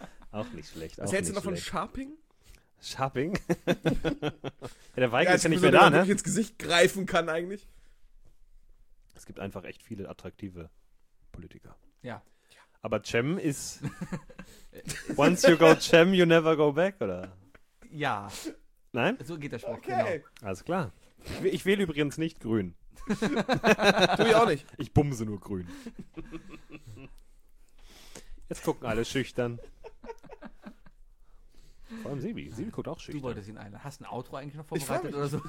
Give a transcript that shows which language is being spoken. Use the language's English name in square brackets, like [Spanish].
[German] Auch nicht schlecht. Was hältst du noch von Sharping? Sharping? Ja, der Weigel ist ja nicht mehr da, ne? Ich ins Gesicht greifen kann eigentlich. Es gibt einfach echt viele attraktive Politiker. Ja. Aber Cem ist... [English] Once you go Cem, you never go back, oder? [German] Ja. Nein? So geht der Spruch, okay. Genau. Alles klar. Ich wähle übrigens nicht grün. Tu ich auch nicht. Ich bumse nur grün. Jetzt gucken alle schüchtern. Vor allem Sebi. Sebi guckt auch schön. Du wolltest ihn einladen. Hast du ein Outro eigentlich noch vorbereitet oder so?